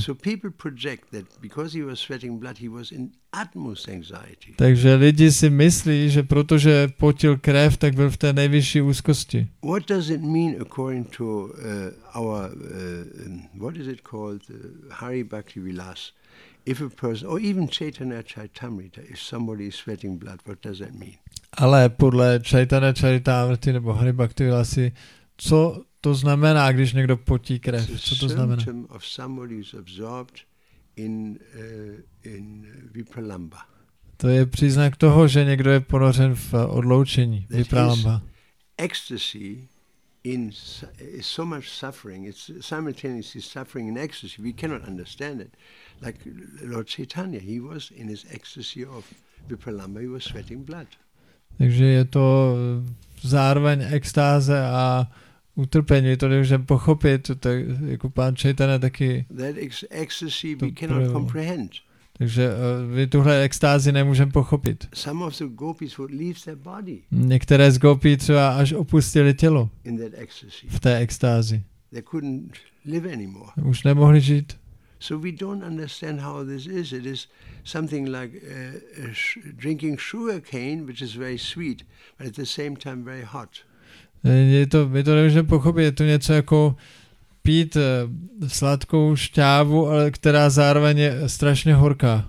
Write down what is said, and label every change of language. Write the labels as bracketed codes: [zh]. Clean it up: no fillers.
[en] So people project that because he was sweating blood, he was in utmost anxiety. [cs] Takže lidi si myslí, že protože potil krev, tak byl v té nejvyšší úzkosti. [en] What does it mean according to our what is it called, Hari Bhakti Vilas? If a person, or even Chaitanya Charitamrita, if somebody is sweating blood, what does that mean? [cs] Ale podle Chaitanya Charitamrity nebo Hari Bhakti Vilasi, co to znamená, když někdo potí krev? Co to znamená? [en] Symptom of somebody who's absorbed in vipralamba. [cs] To je příznak toho, že někdo je ponořen v odloučení, vipralamba. [en] Ecstasy in so much suffering, it's simultaneously suffering and ecstasy. We cannot understand it. Like Lord Chaitanya, he was in his ecstasy of vipralamba, he was sweating blood. [cs] Takže je to zároveň extáze a utrpení, to nemůžeme pochopit, tak jako pán Chaitanya taky. [en] That ecstasy we cannot comprehend. [cs] Takže my tuhle extázi nemůžeme pochopit. [en] Some of the gopis would leave their body. [cs] Některé z gopí třeba až opustili tělo. [en] In that ecstasy. [cs] V té extázi. [en] They couldn't live anymore. [cs] Už nemohli žít. [en] So we don't understand how this is. It is something like drinking sugar cane, which is very sweet, but at the same time very hot. [cs] My to nemůžeme pochopit, je to něco jako pít sladkou šťávu, ale která zároveň je strašně horká.